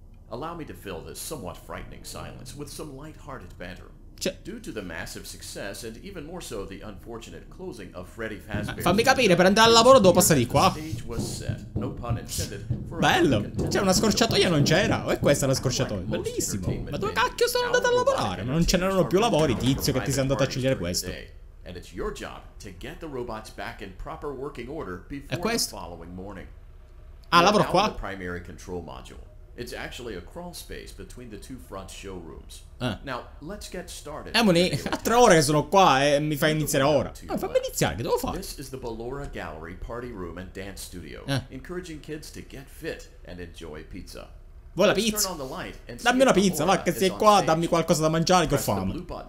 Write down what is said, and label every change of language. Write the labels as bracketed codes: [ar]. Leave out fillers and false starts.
[en] Allow me to fill this somewhat frightening silence with some light-hearted banter. Cioè, due to the massive success and even more so the unfortunate closing of Freddy Fazbear. [it] Fammi capire, per andare al lavoro devo passare di qua. Bello. C'è una scorciatoia, non c'era. O è questa la scorciatoia? Bellissimo. Ma dove cacchio sono andato a lavorare? Ma non ce n'erano più lavori, tizio, che ti sei andato a scegliere questo. [en] And it's your job to get the robots back in proper working order before the following morning. [it] Ah, lavoro qua. [en] The primary control module. It's actually a crawl space between the two front showrooms. Now, let's get started. [it] Emoni, a 3 ore che sono qua e mi fai iniziare ora. Fammi iniziare, che devo fare? [en] This is the Ballora Gallery party room and dance studio, encouraging kids to get fit and enjoy pizza. [it] Vuoi la pizza? Dammi una pizza, va, che sei qua, dammi qualcosa da mangiare, che ho fame.